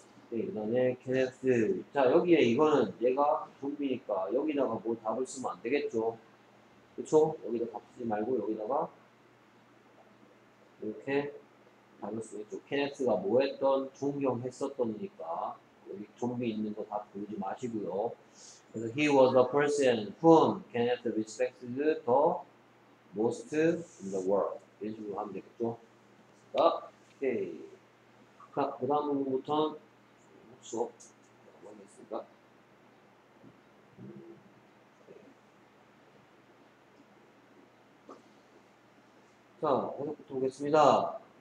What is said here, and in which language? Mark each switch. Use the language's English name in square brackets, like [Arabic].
[Korean] 네, 그다음에 케네스. 자, 여기에 이거는 얘가 좀비니까 여기다가 뭐 답을 쓰면 안 되겠죠. 그쵸? 여기다 바꾸지 말고 여기다가 이렇게 답을 쓰겠죠. 케네스가 뭐 했던 존경했었던니까 여기 좀비 있는 거다 보이지 마시고요. 그래서 [English] he was the person whom Kenneth respected the most in the world. [Korean] 이런 식으로 하면 되겠죠. 아, 오케이. 자, 그다음부터는 수업 뭐 있을까? 자, 오늘부터 보겠습니다.